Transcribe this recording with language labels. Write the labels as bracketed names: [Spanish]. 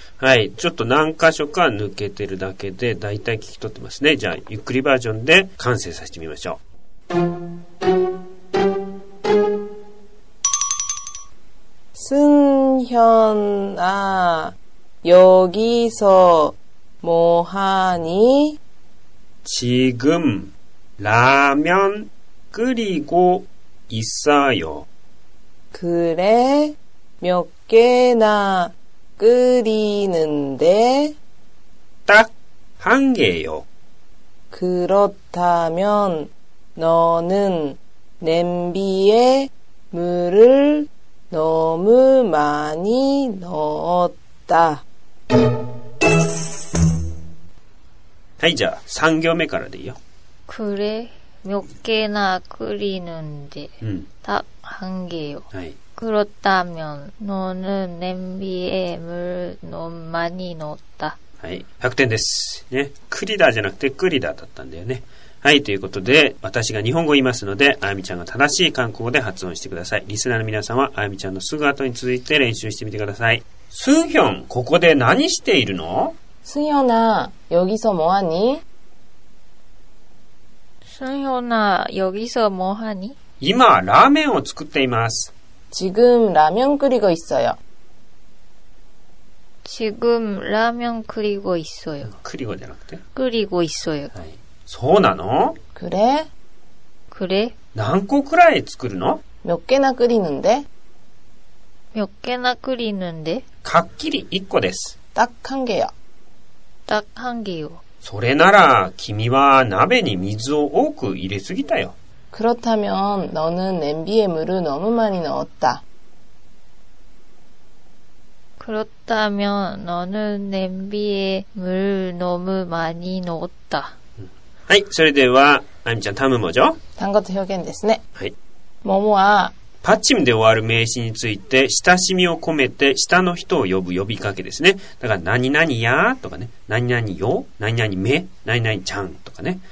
[Japanese] はい、ちょっと何箇所か抜けてるだけで大体聞き取ってますね。じゃあゆっくりバージョンで完成させてみましょう。スンヒョンあ、 [Korean] 여기서뭐하니？ 지금라면끓이고있어요 그래몇개나끓이는데 딱한개요 그렇다면너는냄비에물을너무많이넣었다 [Japanese] はい、じゃあ3行目からでいいよ。 [Korean] 그래몇개나끓이는데딱한개요 、 [Japanese] はい、 [Korean] 그렇다면너는냄비에물너무많이넣었다 [Japanese] はい、100点です、ね、クリダじゃなくてクリダだったんだよね。はい、ということで私が日本語を言いますので、あやみちゃんが正しい韓国語で発音してください。リスナーの皆さんはあやみちゃんのすぐ後に続いて練習してみてください。スンヒョン、ここで何しているの？ [Korean] スンヒョン아여기서뭐하니 スンヒョン아여기서뭐하니 [Japanese] 今ラーメンを作っています。 [Korean] 지금라면끓이고있어요 지금라면끓이고있어요 끓이고 [Japanese] じゃなくて [Korean] 끓이고있어요、 [Japanese] はい、そうなの？ [Korean] 그래 그래 [Japanese] 何個くらい作るの？ [Korean] 몇개나끓이는데 몇 개나 끓이는 데? [Japanese] 각길이 1個 です。 [Korean] 딱 한 개요. 딱 한 개요. [Japanese] それなら君は鍋に水を多く入れすぎたよ。 [Korean] 그렇다면 너는 냄비에 물을 너무 많이 넣었다. 그렇다면 너는 냄비에 물 너무 많이 넣었다. [Japanese] はい、それではあみちゃん、タム [Korean] 뭐죠? 단것 표현 [Japanese] ですね. はい。桃は パッチムで終わる名詞について親しみを込めて下の人を呼ぶ呼びかけですね。だから何々やとかね、何々よ、何々め、何々ちゃんとかね。